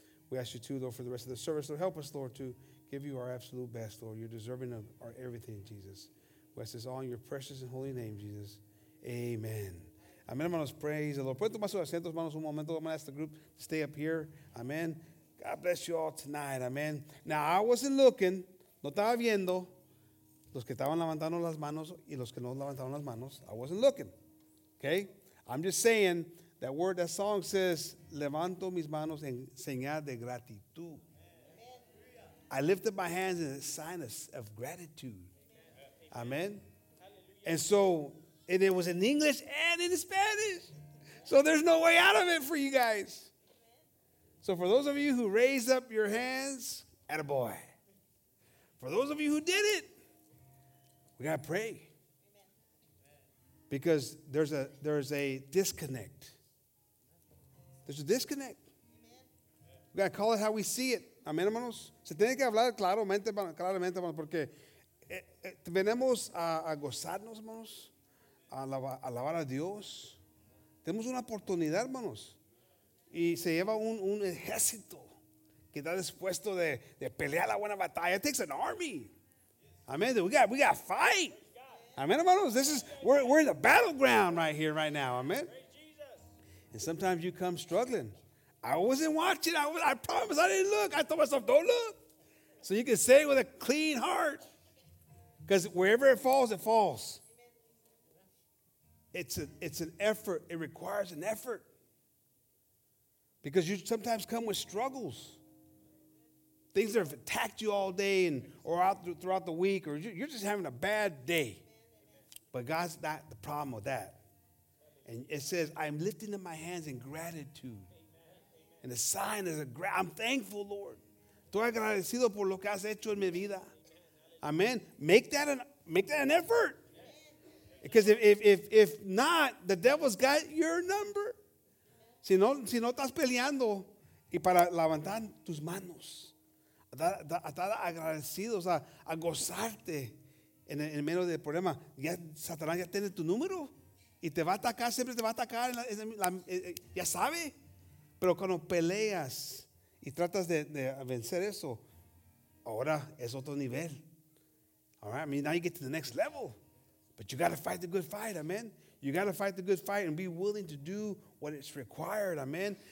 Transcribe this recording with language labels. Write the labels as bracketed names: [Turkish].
[English] We ask you too, Lord, for the rest of the service, Lord, help us, Lord, to give you our absolute best, Lord. You're deserving of our everything, Jesus. We ask this all in your precious and holy name, Jesus. [Spanish] Amen. Amen, hermanos. [English] Praise the Lord. [Spanish] Pueden tomar sus asientos, hermanos, un momento. [English] I'm going to ask the group to stay up here. Amen. God bless you all tonight. Amen. Now, I wasn't looking. [Spanish] No estaba viendo los que estaban levantando las manos y los que no levantaron las manos. [English] I wasn't looking. Okay? I'm just saying that word, that song says, [Spanish] levanto mis manos en señal de gratitud. [English] I lifted my hands in a sign of gratitude. Amen. And so, and it was in English and in Spanish. So there's no way out of it for you guys. So for those of you who raised up your hands, attaboy. For those of you who did it, we got to pray. Because there's a disconnect. There's a disconnect. We got to call it how we see it. [Spanish] Amén, hermanos. Se tiene que hablar claramente, claramente, hermanos, porque venimos a gozarnos, hermanos, a alabar a Dios. Tenemos una oportunidad, hermanos. Y se lleva un ejército que está dispuesto de pelear la buena batalla. [English] It takes an army. Amén. We got fight. Amén, hermanos. We're in the battleground right here, right now. Amén. And sometimes you come struggling. I wasn't watching. I promise I didn't look. I told myself, don't look. So you can say it with a clean heart. Because wherever it falls, it falls. It's an effort. It requires an effort. Because you sometimes come with struggles. Things that have attacked you all day throughout the week. Or you're just having a bad day. But God's not the problem with that. And it says, I'm lifting up my hands in gratitude. And the sign is I'm thankful, Lord. [Spanish] Estoy agradecido por lo que has hecho en mi vida. Amen. [English] Make that an effort. Because if not, the devil's got your number. [Spanish] Si no estás peleando y para levantar tus manos, estar agradecido, o sea, a gozarte en medio del problema, ya Satanás ya tiene tu número y te va a atacar, siempre te va a atacar. Ya sabe. Pero cuando peleas y tratas de vencer eso, ahora es otro nivel. [English] All right, I mean, now you get to the next level. But you got to fight the good fight, amen? You got to fight the good fight and be willing to do what is required, amen?